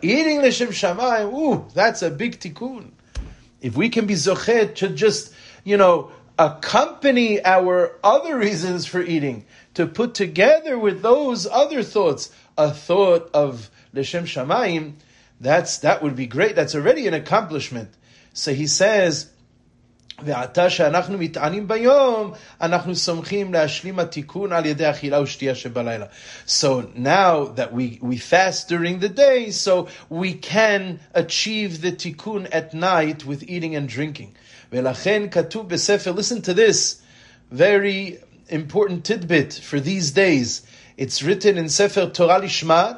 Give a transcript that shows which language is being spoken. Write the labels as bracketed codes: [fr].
[en] Eating l'shem shamayim, ooh, that's a big tikkun. If we can be zochet to just, you know, accompany our other reasons for eating, to put together with those other thoughts a thought of l'shem shamayim, that would be great. That's already an accomplishment. So he says, [he] ועתה שאנחנו מתענים ביום, אנחנו סומכים להשלים התיקון על ידי אכילה ושתייה שבלילה. [en] So now that we fast during the day, so we can achieve the tikkun at night with eating and drinking. [he] ולכן כתוב בספר, [en] listen to this, very important tidbit for these days. It's written in Sefer Torah Lishma.